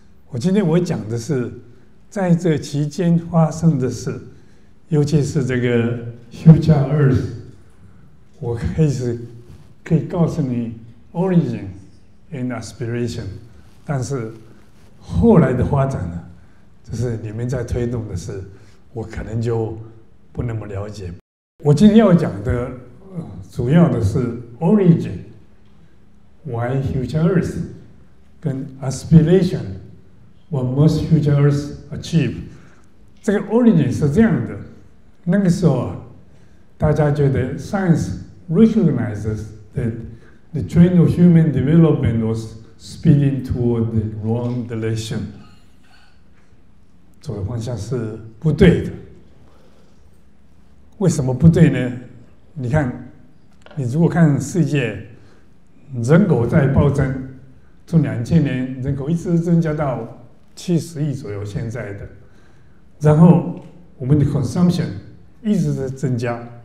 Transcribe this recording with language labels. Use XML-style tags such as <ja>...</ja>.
<zh>我今天我讲的是在这期间发生的事，尤其是这个 Future Earth。我开始可以告诉你</zh> <en>origin and aspiration，</en> <zh>但是后来的发展呢，就是你们在推动的事，我可能就不那么了解。我今天要讲的主要的是 origin，</zh> <en>why future Earth，</en> <zh>跟 aspiration，</zh> <en>what must future Earth achieve。</en> <zh>这个 origin 是这样的，那个时候啊，大家觉得</zh> <en>science recognizes that the train of human development was speeding toward the wrong direction，</en> <zh>走的方向是不对的。为什么不对呢？你看，你如果看世界，人口在暴增，从2000年人口一直增加到70亿左右现在的，然后我们的 consumption 一直在增加。</zh>